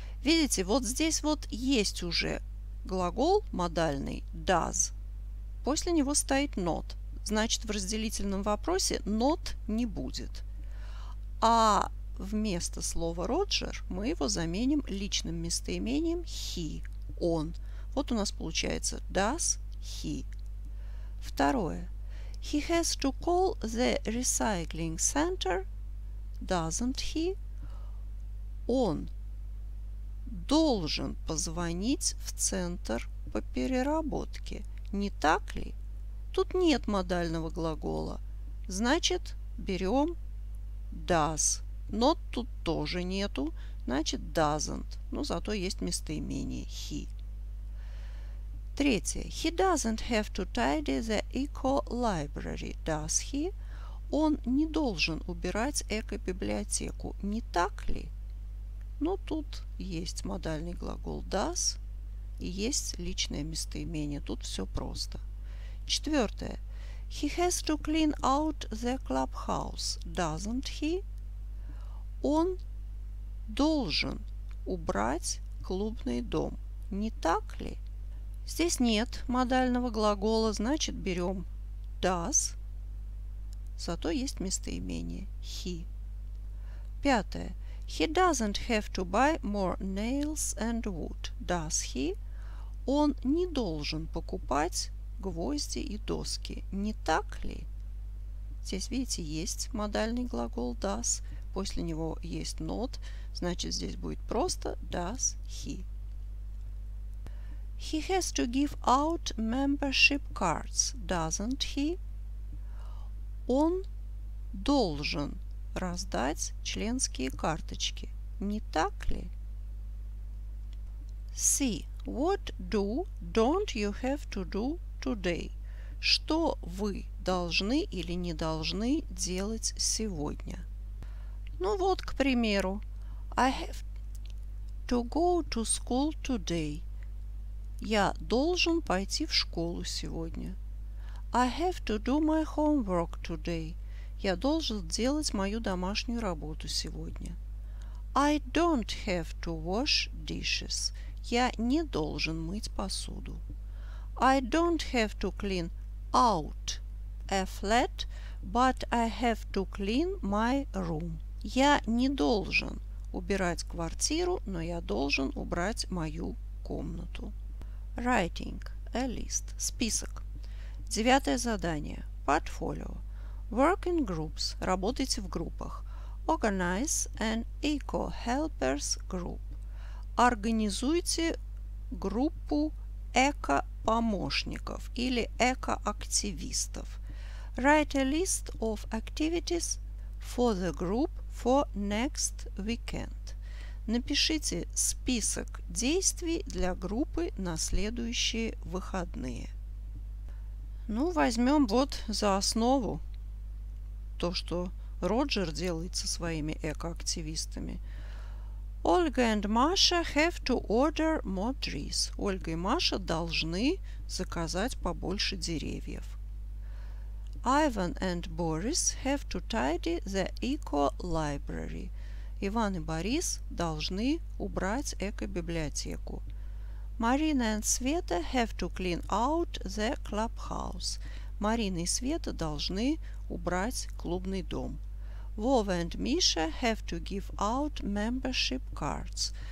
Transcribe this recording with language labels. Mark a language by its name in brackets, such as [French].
[Russian] Видите, вот здесь вот есть уже глагол модальный does. После него стоит not. Значит, в разделительном вопросе not не будет. А вместо слова Roger мы его заменим личным местоимением he, он. Вот у нас получается does he. Второе. [English] He has to call the recycling center, doesn't he? [Russian] Он должен позвонить в центр по переработке. Не так ли? Тут нет модального глагола. Значит, берем does. Но тут тоже нету. Значит, doesn't. Но зато есть местоимение he. Третье. [English] He doesn't have to tidy the eco library, does he? [Russian] Он не должен убирать эко-библиотеку. Не так ли? Но тут есть модальный глагол does и есть личное местоимение. Тут все просто. Четвертое. [English] He has to clean out the clubhouse, doesn't he? [Russian] Он должен убрать клубный дом. Не так ли? Здесь нет модального глагола, значит, берем does. Зато есть местоимение he. Пятое. [English] He doesn't have to buy more nails and wood, does he? [Russian] Он не должен покупать гвозди и доски, не так ли? Здесь, видите, есть модальный глагол does. После него есть not. Значит, здесь будет просто does he. [English] He has to give out membership cards, doesn't he? [Russian] Он должен раздать членские карточки. Не так ли? C. [English] What do don't you have to do today? [Russian] Что вы должны или не должны делать сегодня? Ну вот, к примеру. [English] I have to go to school today. [Russian] Я должен пойти в школу сегодня. [English] I have to do my homework today. [Russian] Я должен делать мою домашнюю работу сегодня. [English] I don't have to wash dishes. [Russian] Я не должен мыть посуду. [English] I don't have to clean out a flat, but I have to clean my room. [Russian] Я не должен убирать квартиру, но я должен убрать мою комнату. [English] Writing a list. [Russian] Список. Девятое задание. [English] Portfolio. Work in groups. [Russian] Работайте в группах. [English] Organize an eco-helpers group. [Russian] Организуйте группу эко-помощников или эко-активистов. [English] Write a list of activities for the group for next weekend. [Russian] Напишите список действий для группы на следующие выходные. Ну, возьмем вот за основу то, что Роджер делает со своими экоактивистами. [English] Ольга and Маша have to order more trees. [Russian] Ольга и Маша должны заказать побольше деревьев. [English] Ivan and Boris have to tidy the eco library. [Russian] Иван и Борис должны убрать эко-библиотеку. [English] Марина and Света have to clean out the clubhouse. [Russian] Марина и Света должны убрать клубный дом. [English] Вова and Миша have to give out membership cards.